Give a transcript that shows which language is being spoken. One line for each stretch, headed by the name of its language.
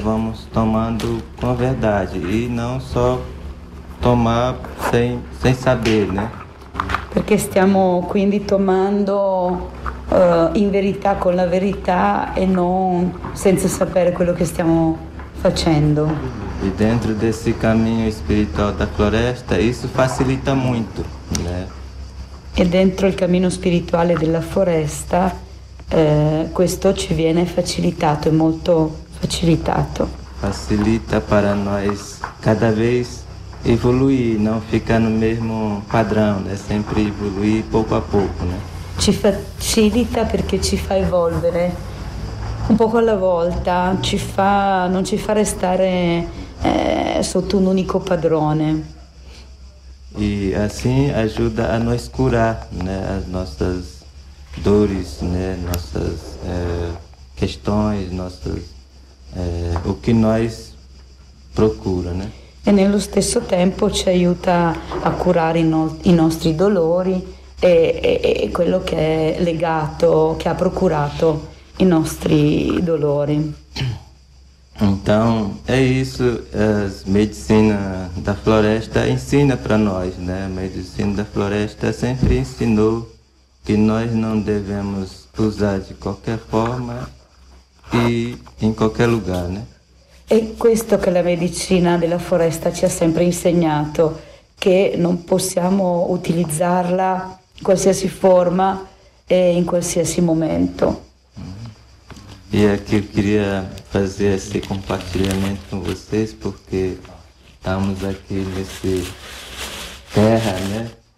Portuguese: Vamos tomando com verdade e não só tomar sem saber, né?
Italian: Perché stiamo quindi tomando in verità con la verità e non senza sapere quello che stiamo facendo.
Portuguese: E dentro desse caminho espiritual da floresta, isso facilita muito, né?
Italian: E dentro il cammino spirituale della foresta, questo ci viene facilitato, è molto facilitato.
Portuguese: Facilita para nós cada vez evoluir, não ficar no mesmo padrão, né? Sempre evoluir pouco a pouco, né?
Italian: Ci facilita perché ci fa evolvere un poco alla volta, non ci fa restare sotto un unico padrone.
Portuguese: E assim ajuda a nós curar, né, as nossas dores, né, nossas questões, nossas o que nós procura, né?
Italian: E nello stesso tempo ci aiuta a curare i nostri dolori. E quello che è legato, che ha procurato i nostri dolori.
Portuguese: Então, é isso, as medicina da floresta ensina para nós, né? A medicina da floresta sempre ensinou que nós não devemos usar de qualquer forma e em qualquer lugar, né?
Italian: È questo che la medicina della foresta ci ha sempre insegnato, che non possiamo utilizzarla qualsiasi forma e in qualsiasi momento.
Portuguese: E aqui eu queria fazer esse compartilhamento com vocês, porque estamos aqui nesse terra, né?